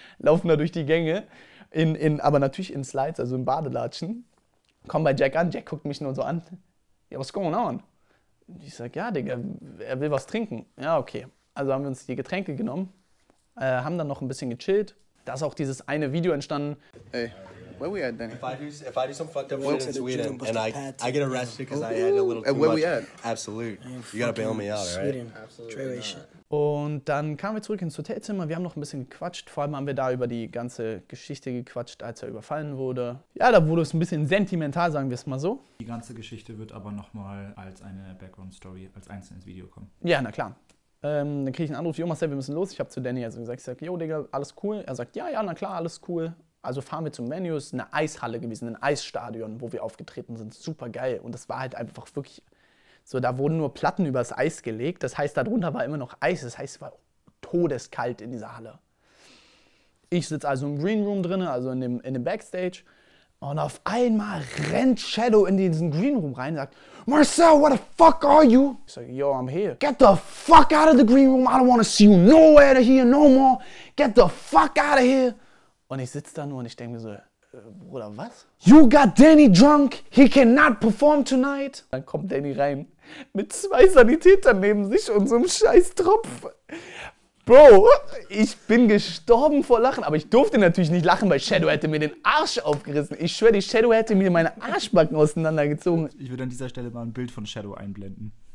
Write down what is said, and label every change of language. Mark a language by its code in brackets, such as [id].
[de] Laufen da durch die Gänge, aber natürlich in Slides, also in Badelatschen. komme bei Jack an, Jack guckt mich nur so an. Ja, [en] what's going on? [de] Und ich sage, ja, Digga, er will was trinken. Ja, okay. Also haben wir uns die Getränke genommen, haben dann noch ein bisschen gechillt. Da ist auch dieses eine Video entstanden. [en] Hey, where we at, Danny? If I do some fucked up shit in Sweden and I get arrested because I had a little too much. And where we at? Absolute. You gotta bail me out, right? Sweden. Absolutely not. [de] Und dann kamen wir zurück ins Hotelzimmer, wir haben noch ein bisschen gequatscht, vor allem haben wir da über die ganze Geschichte gequatscht, als er überfallen wurde. Ja, da wurde es ein bisschen sentimental, sagen wir es mal so. Die ganze Geschichte wird aber nochmal als eine Background-Story, als einzelnes Video kommen. Ja, na klar. Dann kriege ich einen Anruf, jo Marcel, wir müssen los. Ich habe zu Danny also gesagt, ich sage, jo Digga, alles cool. Er sagt, ja, na klar, alles cool. Also fahren wir zum Venue, ist eine Eishalle gewesen, ein Eisstadion, wo wir aufgetreten sind, super geil. Und das war halt einfach wirklich... So, da wurden nur Platten übers Eis gelegt. Das heißt, darunter war immer noch Eis. Das heißt, es war todeskalt in dieser Halle. Ich sitze also im Green Room drin, also in dem Backstage. Und auf einmal rennt Shadow in diesen Green Room rein und sagt, Marcel, [en] what the fuck are you? [de] Ich sage, yo, [en] I'm here. Get the fuck out of the Green Room. I don't want to see you nowhere here no more. Get the fuck out of here. [de] Und ich sitze da nur und ich denke mir so, Bruder, was? [en] You got Danny drunk, he cannot perform tonight. [de] Dann kommt Danny rein mit zwei Sanitätern neben sich und so einem scheiß Tropf. Bro, ich bin gestorben vor Lachen, aber ich durfte natürlich nicht lachen, weil Shadow hätte mir den Arsch aufgerissen. Ich schwöre dir, Shadow hätte mir meine Arschbacken auseinandergezogen. Ich würde an dieser Stelle mal ein Bild von Shadow einblenden.